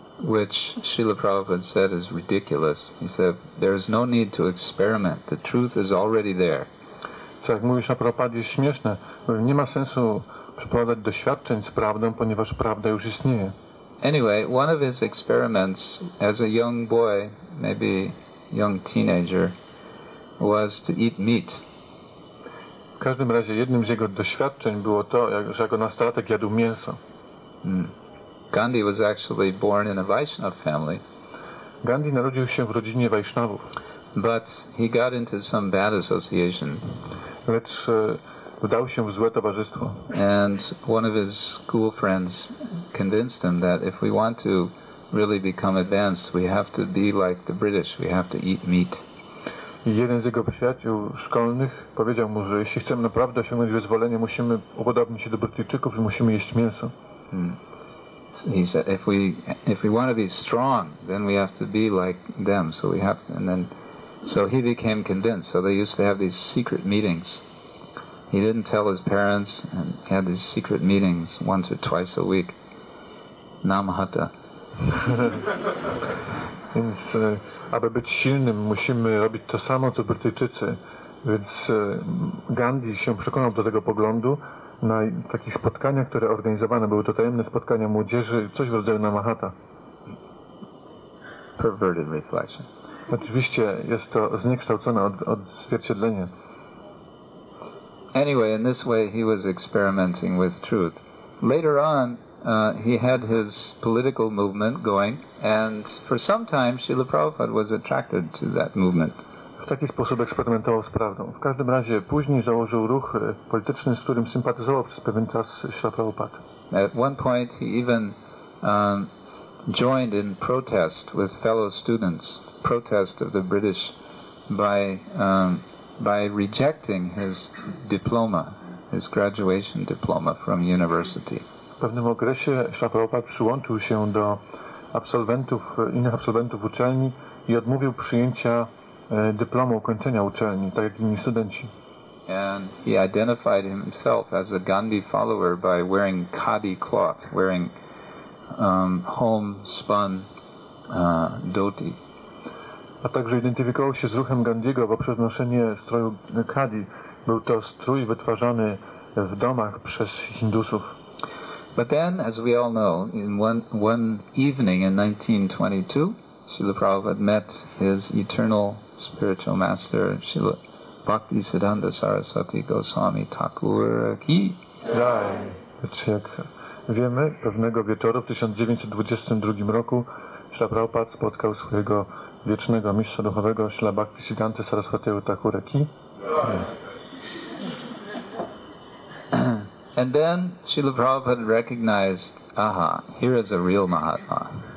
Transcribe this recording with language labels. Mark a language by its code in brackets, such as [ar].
[en] Which Srila Prabhupada said is ridiculous. He said, there is no need to experiment. The truth is already there. [pl] Co, jak mówisz na Prabhupadzie, jest śmieszne. Nie ma sensu przeprowadzać doświadczeń z prawdą, ponieważ prawda już istnieje. [en] Anyway, one of his experiments as a young boy, maybe young teenager, was to eat meat. [pl] W każdym razie jednym z jego doświadczeń było to, że jako nastolatek jadł mięso. [en] Gandhi was actually born in a Vaishnav family. [pl] Gandhi narodził się w rodzinie Vaishnavów. [en] But he got into some bad association. [pl] Lecz udał się w złe towarzystwo. [en] And one of his school friends convinced him that if we want to really become advanced, we have to be like the British, we have to eat meat. [pl] I jeden z jego przyjaciół szkolnych powiedział mu, że jeśli chcemy naprawdę osiągnąć wyzwolenie, musimy upodobnić się do Brytyjczyków i musimy jeść mięso. [en] He said, if we want to be strong, then we have to be like them. So we have, and then, so he became convinced. So they used to have these secret meetings. He didn't tell his parents, and he had these secret meetings once or twice a week. Namahata. [pl] Więc, aby być silnym, musimy robić to samo, co Brytyjczycy. Więc Gandhi się przekonał do tego poglądu. Na takich spotkaniach, które organizowane były to tajemne spotkania młodzieży, coś w rodzaju namahata. [en] Perverted reflection. [pl] Oczywiście jest to zniekształcone odzwierciedlenie. [en] Anyway, in this way he was experimenting with truth. Later on, he had his political movement going, and for some time Srila Prabhupada was attracted to that movement. [pl] W taki sposób eksperymentował z prawdą. W każdym razie później założył ruch polityczny, z którym sympatyzował przez pewien czas Śrīla Prabhupāda. [en] At one point he even joined in protest with fellow students, protest of the British, by rejecting his diploma, his graduation diploma from university. [pl] W pewnym okresie Śrīla Prabhupāda przyłączył się do absolwentów, innych absolwentów uczelni i odmówił przyjęcia dyplomu ukończenia uczelni, tak jak inni studenci. [en] And he identified himself as a Gandhi follower by wearing khadi cloth, wearing homespun dhoti. [pl] A także identyfikował się z ruchem Gandhiego poprzez noszenie stroju khadi. Był to strój wytwarzany w domach przez Hindusów. [en] But then, as we all know, in one evening in 1922, Srila Prabhupada met his eternal spiritual master, Srila Bhakti Siddhanta Saraswati Goswami Thakur ki jai. [pl] Jak wiemy, pewnego wieczoru w 1922 roku Srila Prabhupada spotkał swojego wiecznego mistrza duchowego, Srila Bhakti Siddhanta Saraswati Thakur ki jai. [en] And then Srila Prabhupada recognized, aha, here is a real Mahatma.